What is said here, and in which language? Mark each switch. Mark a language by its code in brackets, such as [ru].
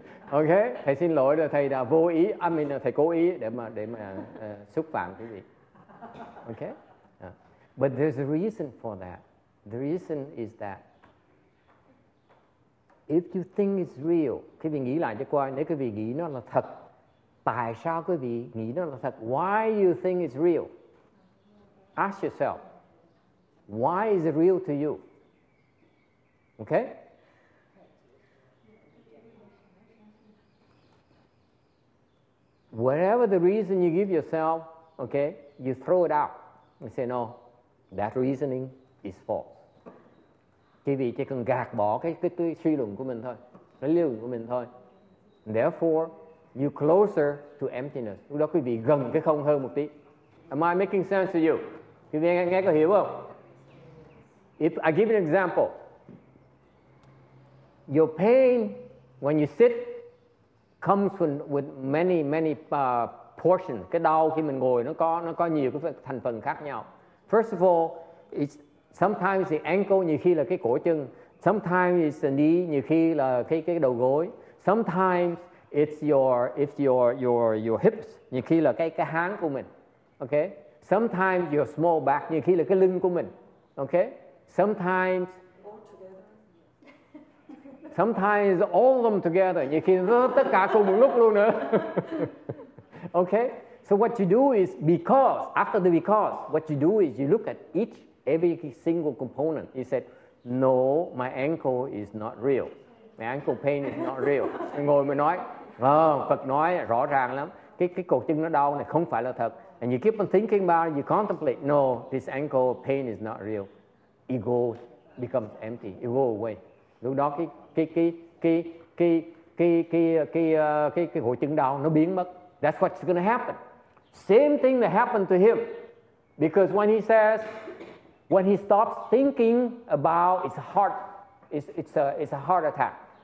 [vi] Okay, thầy xin lỗi là thầy đã vô ý. [en] I mean, [vi] thầy cố ý để mà xúc phạm quý vị. Okay? [en] But there's a reason for that. The reason is that if you think it's real, [vi] quý vị nghĩ lại cho coi, nếu quý vị nghĩ nó là thật, tại sao quý vị nghĩ nó là thật? [en] Why you think it's real? Ask yourself, why is it real to you? Okay? Whatever the reason you give yourself, okay, you throw it out. You say, no, that reasoning is false. [vi] Chỉ vì chỉ cần gạt bỏ cái suy luận của mình thôi, cái lý luận của mình thôi. [en] And therefore, you closer to emptiness. [vi] Lúc đó quý vị gần cái không hơn một tí. [en] Am I making sense to you? [vi] Quý vị nghe có hiểu không? [en] If I give an example, your pain when you sit comes with many many portions. [vi] Cái đau khi mình ngồi nó có nhiều cái thành phần khác nhau. [en] First of all, it's Sometimes the ankle, [vi] nhiều khi là cái cổ chân. [en] Sometimes it's the knee, [vi] nhiều khi là cái đầu gối. [en] Sometimes it's your hips, [vi] nhiều khi là cái háng của mình. Okay? [en] Sometimes your small back, [vi] nhiều khi là cái lưng của mình. Okay? [en] Sometimes sometimes all of them together, [vi] nhiều khi tất cả cùng một lúc luôn nữa. [en] Okay? So what you do is what you do is you look at each, every single component. You said, no, my ankle is not real. My ankle pain is not real. [vi] Ngồi mới nói, vâng, Phật nói rõ ràng lắm. Cái cột chân nó đau này không phải là thật. [en] And you keep on thinking about it, you contemplate, no, this ankle pain is not real. Ego becomes empty, it goes away. [vi] Lúc đó cái cột chân đau nó biến mất. [en] That's what's going to happen. Same thing that happened to him. Because when he says, when he stops thinking about his heart, it's a heart attack.